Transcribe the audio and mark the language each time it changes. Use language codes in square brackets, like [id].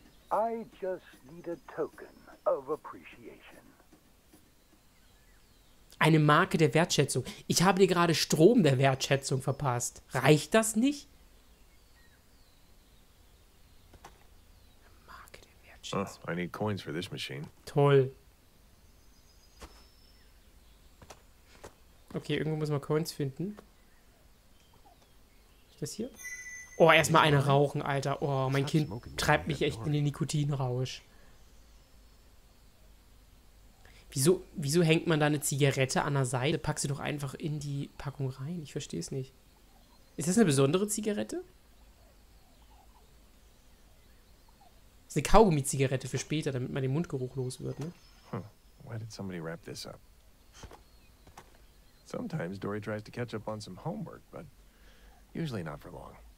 [en] I just need a token of appreciation. [de] Eine Marke der Wertschätzung. Ich habe dir gerade Strom der Wertschätzung verpasst. Reicht das nicht? Marke der Wertschätzung. [en] Oh, I need coins for this machine. [de] Toll. Okay, irgendwo muss man Coins finden. Ist das hier? Oh, erstmal eine rauchen, Alter. Oh, mein Kind treibt mich echt in den Nikotinrausch. Wieso hängt man da eine Zigarette an der Seite? Pack sie doch einfach in die Packung rein. Ich verstehe es nicht. Ist das eine besondere Zigarette? Das ist eine Kaugummi-Zigarette für später, damit man den Mundgeruch los wird, ne? Hm. [en] Why did somebody wrap this up? Sometimes Dory tries to catch up on some homework, but usually not for long.